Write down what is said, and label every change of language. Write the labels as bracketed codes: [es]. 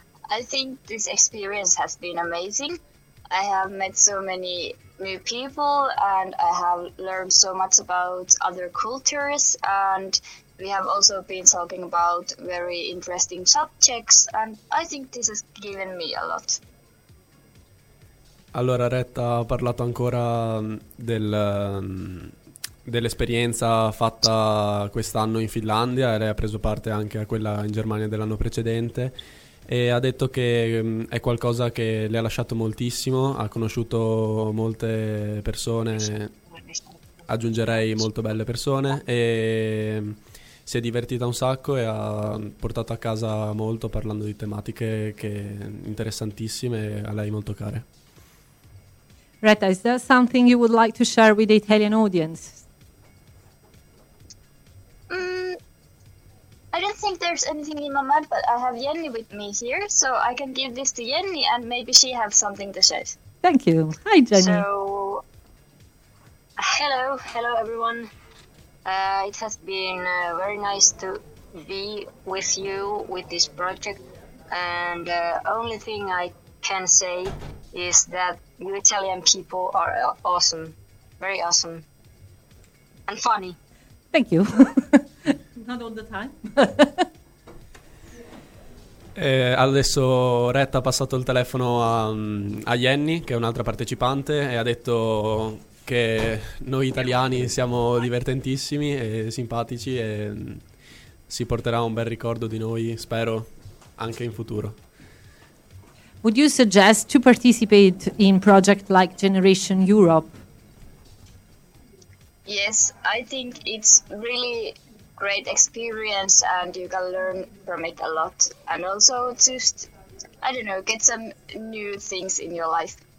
[en] I think this experience has been amazing. I have met so many new people and I have learned so much about other cultures and we have also been talking about very interesting subjects and I think this has given me a lot. [it] Allora Retta ha parlato ancora dell'esperienza fatta quest'anno in Finlandia e lei ha preso parte anche a quella in Germania dell'anno precedente. E ha detto che è qualcosa che le ha lasciato moltissimo, ha conosciuto molte persone, aggiungerei molto belle persone, e si è divertita un sacco e ha portato a casa molto parlando di tematiche che interessantissime e a lei molto care. [en] Retta, is there something you would like to share with the Italian audience? I don't think there's anything in my mind, but I have Jenny with me here, so I can give this to Jenny and maybe she has something to share. Thank you. Hi, Jenny. So, hello everyone. It has been very nice to be with you with this project. And the only thing I can say is that you Italian people are awesome, very awesome and funny. Thank you. Not all the time. [it] Adesso Retta ha passato il telefono a Jenny, che è un'altra partecipante, e ha detto che noi italiani siamo divertentissimi e simpatici e si porterà un bel ricordo di noi, spero, anche in futuro. [en] Would you suggest to participate in project like Generation Europe? Yes, I think it's really great experience and you can learn from it a lot and also just, I don't know, get some new things in your life.